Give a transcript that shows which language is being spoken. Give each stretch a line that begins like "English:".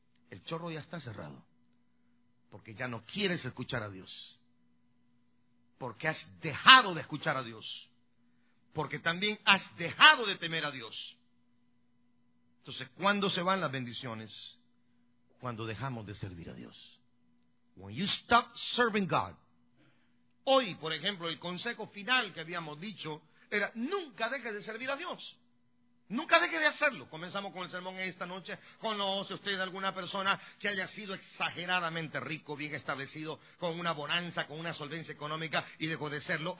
Spanish: El chorro ya está cerrado. Porque ya no quieres escuchar a Dios. Porque has dejado de escuchar a Dios. Porque también has dejado de temer a Dios. Entonces, ¿cuándo se van las bendiciones? Cuando dejamos de servir a Dios.
English: When you stop serving God.
Spanish: Hoy, por ejemplo, el consejo final que habíamos dicho era nunca deje de servir a Dios. Nunca deje de hacerlo. Comenzamos con el sermón esta noche. ¿Conoce usted alguna persona que haya sido exageradamente rico, bien establecido, con una bonanza, con una solvencia económica, y dejó de serlo?